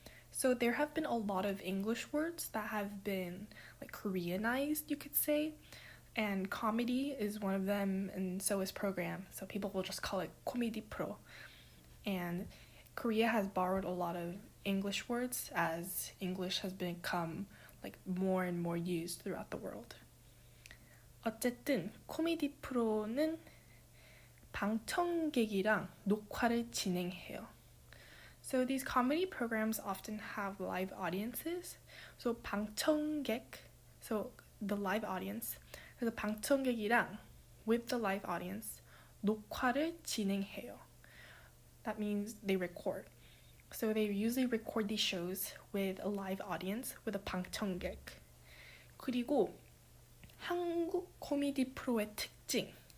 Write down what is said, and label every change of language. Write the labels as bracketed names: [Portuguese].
[English] So there have been a lot of English words that have been like Koreanized, you could say. And comedy is one of them, and so is program. So people will just call it 코미디 프로. And Korea has borrowed a lot of English words as English has become like more and more used throughout the world. [Korean] 어쨌든 코미디 프로는 방청객이랑 녹화를 진행해요. [English] So these comedy programs often have live audiences. So 방청객, so the live audience, [Korean] 그래서 방청객이랑 [English] with the live audience [Korean] 녹화를 진행해요. [English] That means they record. So they usually record these shows with a live audience, with a 방청객. [Korean] 그리고 한국 코미디 프로의 특징.